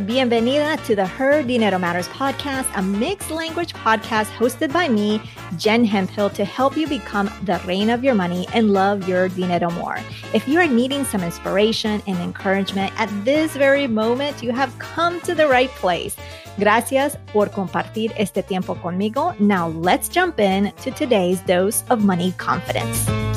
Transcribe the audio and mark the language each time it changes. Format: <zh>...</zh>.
<es>Bienvenida</es> <en>to the Her Dinero Matters podcast, a mixed language podcast hosted by me, Jen Hemphill, to help you become the reina of your money and love your dinero more. If you are needing some inspiration and encouragement at this very moment, you have come to the right place.</en> <es>Gracias por compartir este tiempo conmigo.</es> <en>Now let's jump in to today's dose of money confidence.</en>